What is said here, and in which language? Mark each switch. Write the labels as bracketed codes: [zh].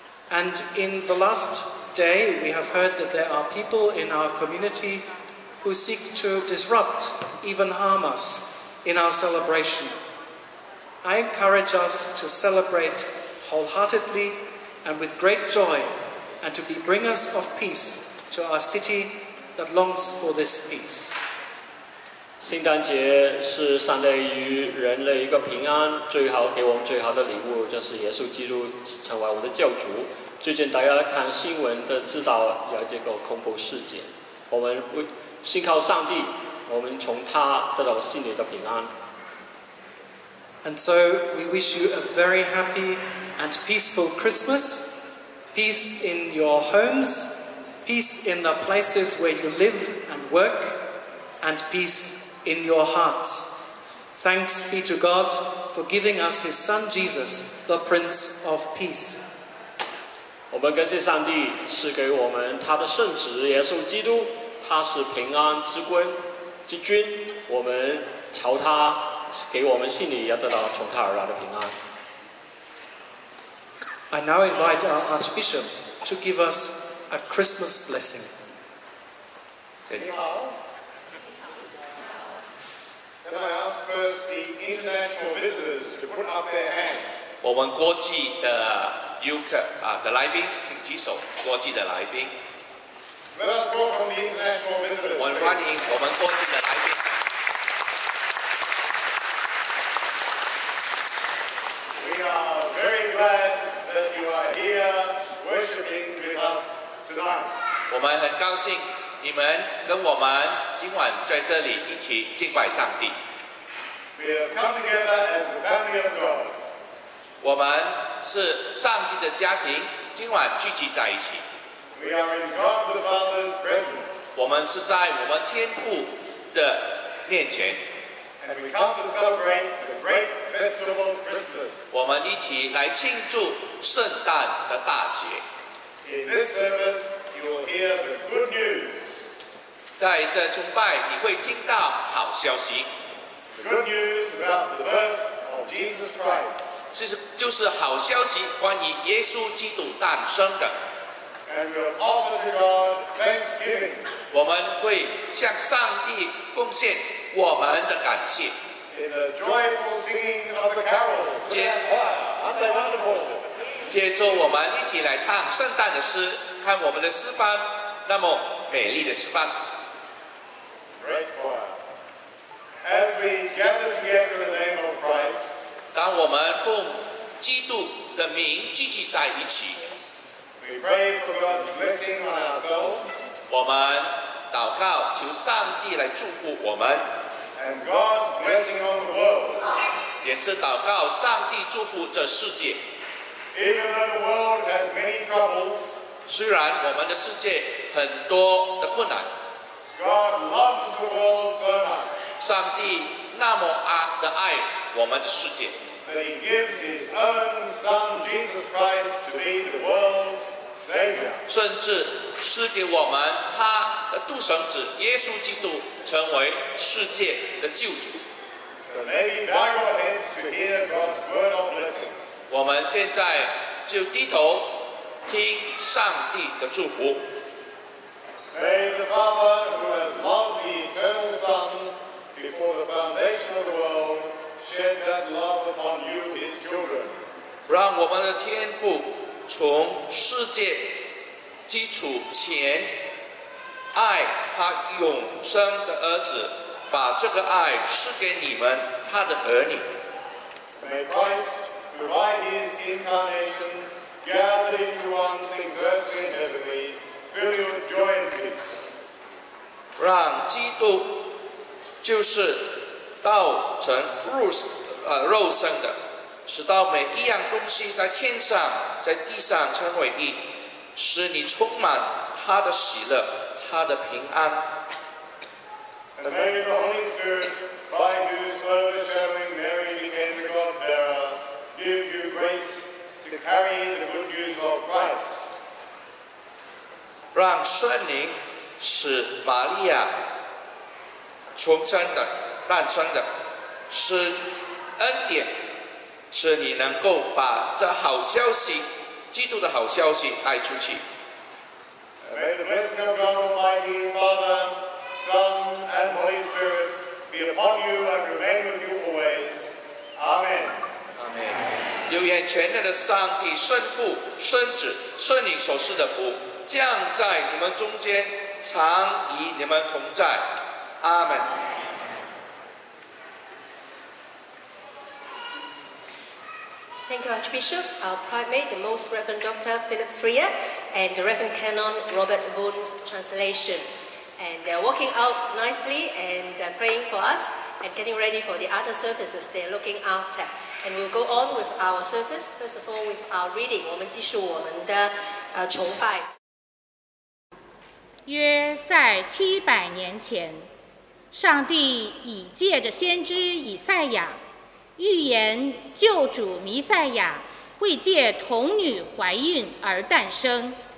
[en] And in the last day, we have heard that there are people in our community who seek to disrupt, even harm us, in our celebration. I encourage us to celebrate wholeheartedly and with great joy, and to be bringers of peace to our city that longs for this peace. [zh] 圣诞节是上帝与人类一个平安最好给我们最好的礼物，就是耶稣基督成为我们的救主。最近大家看新闻都知道有这个恐怖事件，我们信靠上帝，我们从他得到心里的平安。 [en] And so we wish you a very happy and peaceful Christmas. Peace in your homes, peace in the places where you live and work, and peaceIn your hearts. Thanks be to God for giving us His Son Jesus, the Prince of Peace. [zh] 我们感谢上帝赐给我们他的圣子耶稣基督，他是平安之君。我们求他给我们心里要得到从他而来的平安。 [en] I now invite our Archbishop to give us a Christmas blessing. [zh] 你好。 [en] Can I ask first the international visitors to put up their hand? [zh] 我们国际的游客的来宾，请举手。国际的来宾。 [en] Let us welcome the international visitors. [zh] 我们欢迎我们国际的来宾。 [en] We are very glad that you are here worshiping with us tonight. [zh] 我们很高兴你们跟我们今晚在这里一起敬拜上帝。 [en] We have come together as the family of God. [zh] 我们是上帝的家庭，今晚聚集在一起。 [en] We are in God the Father's presence. [zh] 我们是在我们天父的面前。 [en] And we come to celebrate the great festival of Christmas. [zh] 我们一起来庆祝圣诞的大节。 [en] In this service, you will hear the good news. [zh] 在这崇拜，你会听到好消息。 [en] Good news about the birth of Jesus Christ. [zh] 就是好消息，关于耶稣基督诞生的。 [en] And we'll offer to God thanksgiving. [zh] 我们会向上帝奉献我们的感谢。 [en] In the joyful singing of the carol, wonderful. [zh] 我们一起来唱圣诞的诗，看我们的诗班那么美丽的诗班。 [en] As we gather together in the name of Christ, [zh] 当我们奉基督的名聚集在一起， [en] we pray for God's blessing on ourselves. [zh] 我们祷告，求上帝来祝福我们， [en] and God's blessing on the world. [zh] 也是祷告上帝祝福这世界。 [en] Even though the world has many troubles, [zh] 虽然我们的世界很多的困难， [en] God loves the world so much. [zh] 上帝那么爱的爱我们的世界， [en] that that he gives his own son Jesus Christ to be the world's savior. [zh] 甚至赐给我们他的独生子耶稣基督成为世界的救主。 [en] So may we bow our heads to hear God's word of blessing. [zh] 我们现在就低头听上帝的祝福。 [en] May the Father who has loved the eternal Son before the foundation of the world shed that love upon you, His children. [zh] 让我们的天父从世界基础前爱他永生的儿子，把这个爱赐给你们他的儿女。 [en] May Christ, who by His incarnation gathered into one things earthly and heavenly, fill you with joy and peace. [zh] 让基督就是道成肉身的，使到每一样东西在天上在地上成为一，使你充满他的喜乐，他的平安。 [en] And may the Holy Spirit, by whose overshadowing Mary became the God-bearer, give you grace to carry the good news of Christ. [zh] 让圣灵使玛利亚重生的、诞生的，是恩典，使你能够把这好消息、基督的好消息带出去。 [en] May the blessing of God Almighty, Father, Son, and Holy Spirit be upon you and remain with you always. Amen. Amen. [zh] 有愿全能的上帝、圣父、圣子、圣灵所赐的福降在你们中间，常与你们同在。 [en] Amen. Thank you, Archbishop. Our primate, the Most Reverend Dr. Philip Freer, and the Reverend Canon Robert Boone's translation. And they're walking out nicely and praying for us and getting ready for the other services they're looking after. And we'll go on with our service. First of all, with our reading. [zh] 我们继续我们的崇拜。约在七百年前，上帝已借着先知以赛亚预言救主弥赛亚会借童女怀孕而诞生。